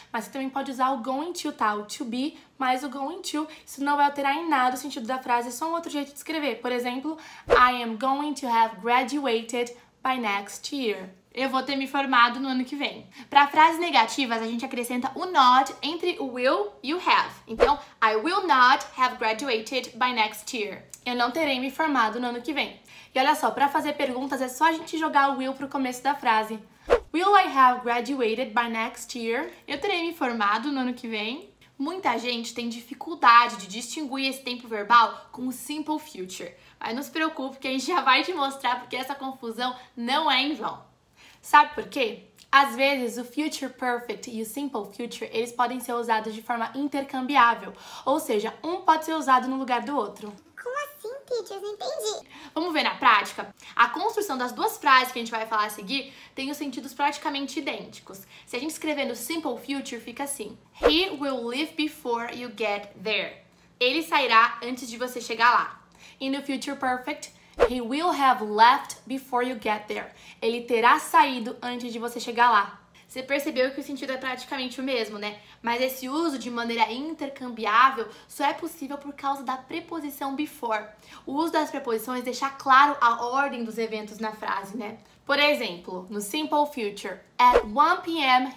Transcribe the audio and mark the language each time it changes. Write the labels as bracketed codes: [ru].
[pt] Mas você também pode usar o going to, tá? O to be mais o going to. Isso não vai alterar em nada o sentido da frase, é só um outro jeito de escrever. Por exemplo, [en] I am going to have graduated by next year. [pt] Eu vou ter me formado no ano que vem. Para frases negativas, a gente acrescenta o not entre o will e o have. [en] Então, I will not have graduated by next year. [pt] Eu não terei me formado no ano que vem. E olha só, para fazer perguntas, é só a gente jogar o will pro começo da frase. [en] Will I have graduated by next year? [pt] Eu terei me formado no ano que vem. Muita gente tem dificuldade de distinguir esse tempo verbal com o simple future. Mas não se preocupe que a gente já vai te mostrar porque essa confusão não é em vão. Sabe por quê? Às vezes, o Future Perfect e o Simple Future, eles podem ser usados de forma intercambiável. Ou seja, um pode ser usado no lugar do outro. Como assim, teacher? Não entendi. Vamos ver na prática? A construção das duas frases que a gente vai falar a seguir tem os sentidos praticamente idênticos. Se a gente escrever no Simple Future, fica assim. [en] He will leave before you get there. [pt] Ele sairá antes de você chegar lá. E no [en] Future Perfect, he will have left before you get there. [pt] Ele terá saído antes de você chegar lá. Você percebeu que o sentido é praticamente o mesmo, né? Mas esse uso de maneira intercambiável só é possível por causa da preposição before. O uso das preposições deixa claro a ordem dos eventos na frase, né? Por exemplo, no simple future, at 1 p.m.